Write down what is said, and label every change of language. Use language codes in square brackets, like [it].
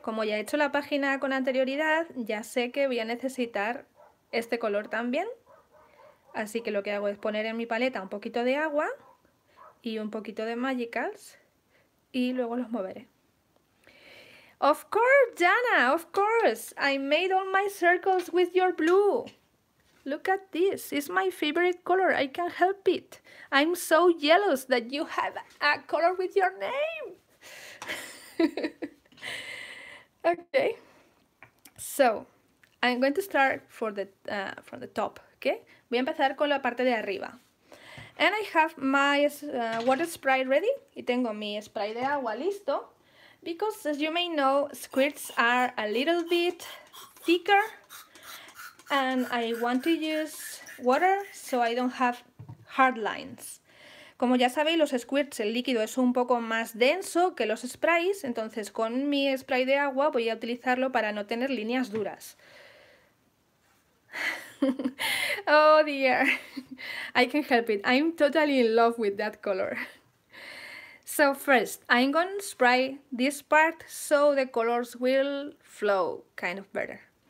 [es] Como ya he hecho la página con anterioridad, ya sé que voy a necesitar este color también. Así que lo que hago es poner en mi paleta un poquito de agua y un poquito de Magicals y luego los moveré. [en] Of course, Jana, of course. I made all my circles with your blue. Look at this. It's my favorite color. I can't help it. I'm so jealous that you have a color with your name. Okay. So, I'm going to start for the from the top, okay? [es] Voy a empezar con la parte de arriba. [en] And I have my water spray ready. [es] Y tengo mi spray de agua listo. [en] Because, as you may know, squirts are a little bit thicker and I want to use water so I don't have hard lines. [es] Como ya sabéis, los squirts, el líquido es un poco más denso que los sprays, entonces con mi spray de agua voy a utilizarlo para no tener líneas duras. [en] Oh dear, I can't help it, I'm totally in love with that color. So first, I'm going to spray this part so the colors will flow kind of better.